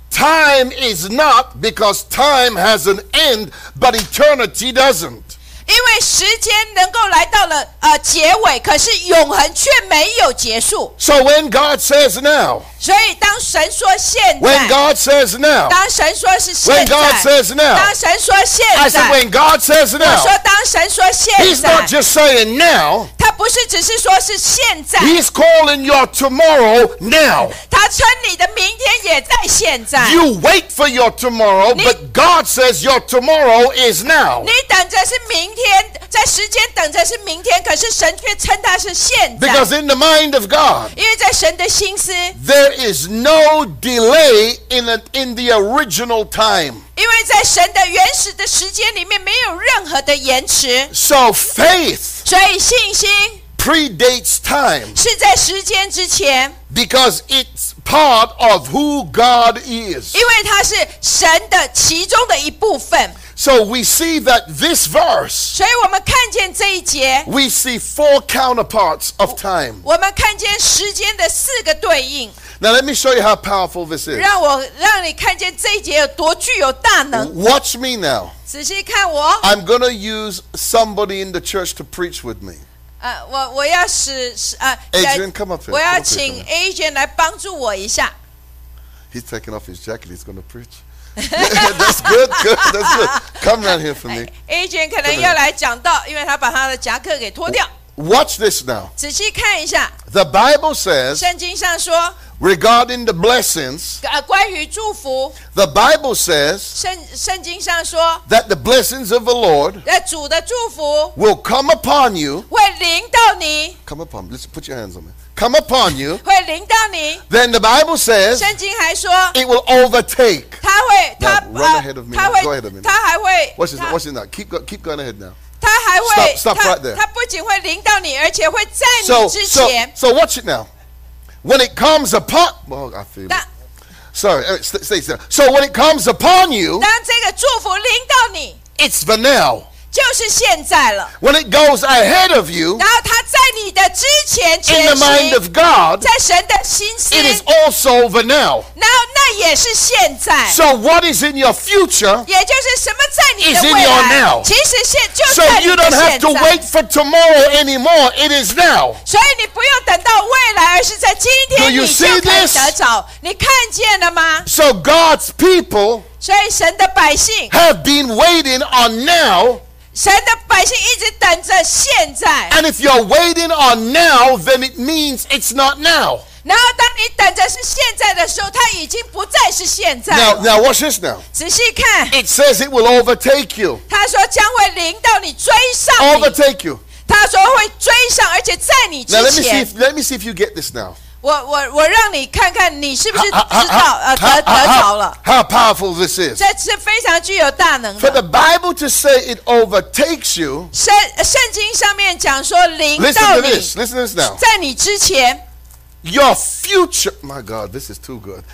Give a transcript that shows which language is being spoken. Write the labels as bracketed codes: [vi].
[en] Time is not because time has an end, but eternity doesn't. [zh] 因为时间能够来到了结尾，可是永恒却没有结束。 [en] So when God says now, When God says now, [zh] 当神说是现在, [en] when God says now, [zh] 当神说现在, [en] I said when God says now, [zh] 我说当神说现在, [en] He's not just saying now, [zh] 他不是只是说是现在, [en] He's calling your tomorrow now. You wait for your tomorrow, [zh] 你, [en] but God says your tomorrow is now. [zh] 你等着是明天, 在时间等着是明天, 可是神却称它是现在, [en] because in the mind of God, [zh] 因为在神的心思, [en] there is no delay in the original time. [zh] 因为在神的原始的时间里面没有任何的延迟, [en] so faith, [zh] 所以信心, [en] predates time, [zh] 是在时间之前, [en] because it's part of who God is. [zh] 因为它是神的其中的一部分, [en] so we see that this verse, [zh] 所以我们看见这一节, [en] we see four counterparts of time. [zh] 我们看见时间的四个对应。 [en] Now let me show you how powerful this is. [zh] 让你看见这一节有多具有大能。 [en] Watch me now. [zh] 仔细看我。 [en] I'm going to use somebody in the church to preach with me. Adrian, come up here. [zh] 我要请 Adrian 来帮助我一下。 [en] He's taking off his jacket, he's going to preach. That's good, good, that's good. Come around here for me. [zh] Adrian 可能要来讲道, 因为他把他的夹克给脱掉。 [en] Watch this now. [zh] 仔细看一下, [en] the Bible says, [zh] 圣经上说, [en] regarding the blessings, [zh] 关于祝福, [en] the Bible says, [zh] 圣经上说, [en] that the blessings of the Lord, [zh] 主的祝福, [en] will come upon you, [zh] 会临到你, [en] come upon me, let's put your hands on me, come upon you, [zh] 会临到你, [en] then the Bible says, [zh] 圣经还说, [en] it will overtake, [zh] 它会, 它, [en] now, run ahead of me, [zh] 它会, [en] go ahead of me, [zh] 它还会, [en] watch this, [zh] 它, [en] watch this now, keep going ahead now. [zh] 他还会, [en] stop right there. [zh] 他不仅会临到你, 而且会在你之前, [en] so watch it now. When it comes upon, oh, I feel it. Sorry, stay still. So when it comes upon you, [zh] 当这个祝福临到你, [en] it's the now. [zh] 就是现在了, [en] when it goes ahead of you, [zh] 然后他在你的之前, [en] in the mind of God, [zh] 在神的心思, [en] it is also the now. [zh] 那也是现在, [en] so what is in your future, [zh] 也就是什么在你的未来, [en] is in your now. [zh] 其实现在, [en] so you don't have to wait for tomorrow anymore, it is now. [zh] 所以你不用等到未来, 而是在今天, [en] do you see this? [zh] 你看见了吗? [en] So God's people, [zh] 所以神的百姓, [en] have been waiting on now. And if you're waiting on now, then it means it's not now. Now watch this now. [zh] 仔细看, [en] it says it will overtake you. [zh] 他说将会临到你, 追上你, [en] overtake you. [zh] 他说会追上, 而且在你之前, [en] now let me see if you get this now. [zh] 我让你看看你是不是知道得着了。 [en] How powerful this is. [zh] 这是非常具有大能的。 [en] For the Bible to say it overtakes you, [zh] 圣经上面讲说临到你, [en] listen to this now. [zh] 在你之前, [en] your future, my God, this is too good.